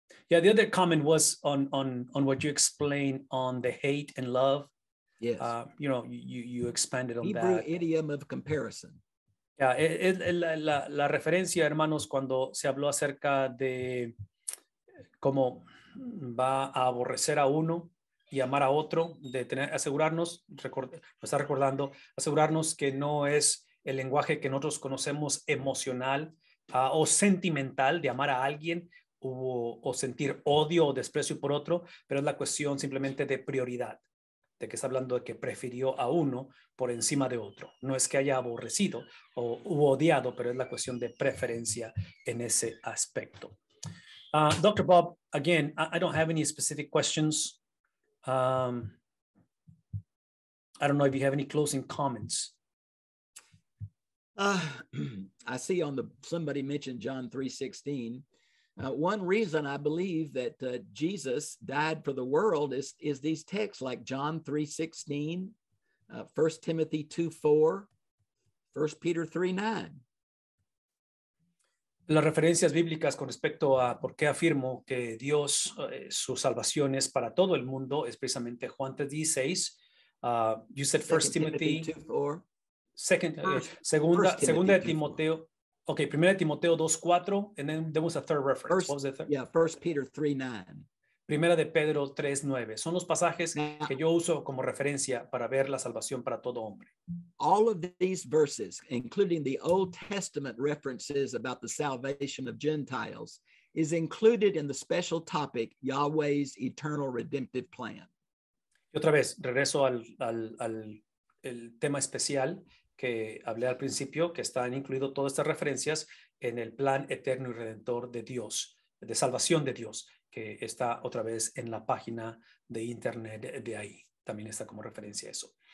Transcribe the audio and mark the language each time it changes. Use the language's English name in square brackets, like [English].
[English] Yeah, the other comment was on what you explained on the hate and love. Yes. You know, you expanded on Hebrew that. Hebrew idiom of comparison. [Spanish] Yeah, la referencia, hermanos, cuando se habló acerca de cómo va a aborrecer a uno y amar a otro, de tener, asegurarnos, lo está recordando, asegurarnos que no es el lenguaje que nosotros conocemos emocional o sentimental de amar a alguien o sentir odio o desprecio por otro, pero es la cuestión simplemente de prioridad. De que está hablando de que prefirió a uno por encima de otro. No es que haya aborrecido o odiado, pero es la cuestión de preferencia en ese aspecto. [English] Dr. Bob, again, I don't have any specific questions. I don't know if you have any closing comments. I see on the, somebody mentioned John 3:16. One reason I believe that Jesus died for the world is these texts like John 3:16, 1 Timothy 2:4, 1 Peter 3:9. [Spanish] Las referencias bíblicas con respecto a por qué afirmo que Dios, su salvación es para todo el mundo, es precisamente Juan 3:16. [English] You said 1 Timothy 2:4. [Spanish] Segunda de Timoteo. [English] Okay, 1 Timoteo 2:4, and then there was a third reference. First, what was the third? Yeah, 1 Peter 3:9. [Spanish] Primera de Pedro 3:9. Son los pasajes now, que yo uso como referencia para ver la salvación para todo hombre. [English] All of these verses, including the Old Testament references about the salvation of Gentiles, is included in the special topic, Yahweh's eternal redemptive plan. [Spanish] Y otra vez, regreso al el tema especial que hablé al principio, que están incluido todas estas referencias en el plan eterno y redentor de Dios, de salvación de Dios, que está otra vez en la página de internet de ahí. También está como referencia eso.